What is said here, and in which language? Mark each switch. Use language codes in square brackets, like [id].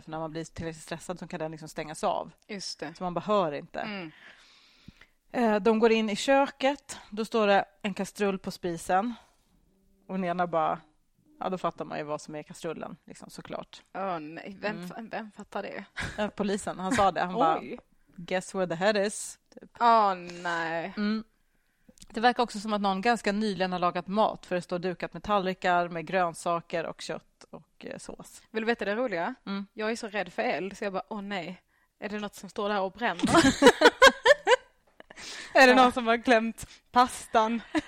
[sv] För när man blir tillräckligt stressad så kan den liksom stängas av. Just det. Så man bara hör inte. Mm. De går in i köket. Då står det en kastrull på spisen. Och den ena bara, ja, då fattar man ju vad som är kastrullen, liksom, såklart. Åh, oh, nej. Vem fattar det? Polisen, han sa det. Han bara, [en] guess where the head is? [sv] Åh, typ. Oh, nej. Mm. Det verkar också som att någon ganska nyligen har lagat mat, för det står dukat med tallrikar med grönsaker och kött och sås. Vill du veta det roliga? Mm. Jag är så rädd för eld, så jag bara, åh, nej. Är det något som står där och bränner? Är det någon som har glömt pastan?